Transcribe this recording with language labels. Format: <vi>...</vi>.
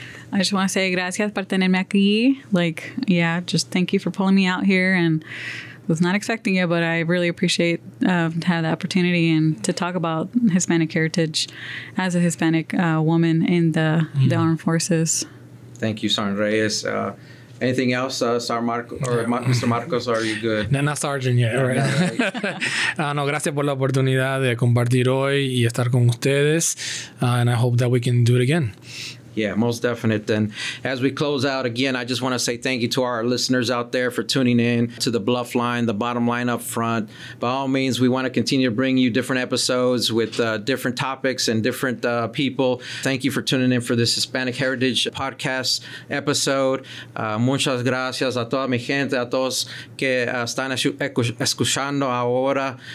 <en>I just want to say</en> <es>gracias por tenerme aquí.</es> <en>Like, yeah, just thank you for pulling me out here, and was not expecting it, but I really appreciate to have the opportunity and to talk about Hispanic heritage as a Hispanic woman in the armed forces. Thank you, Sergeant Reyes. Anything else, Mr. Marcos, or are you good? No, not Sergeant yet. All right. No,</en> <es>gracias por la oportunidad de compartir hoy y estar con ustedes,</es> <en>and I hope that we can do it again. Yeah, most definite. Then as we close out again, I just want to say thank you to our listeners out there for tuning in to the Bluff Line, the Bottom Line Up Front. By all means, we want to continue to bring you different episodes with different topics and different people. Thank you for tuning in for this Hispanic Heritage Podcast episode.</en> <es>Muchas gracias a toda mi gente, a todos que están escuchando ahora.</es>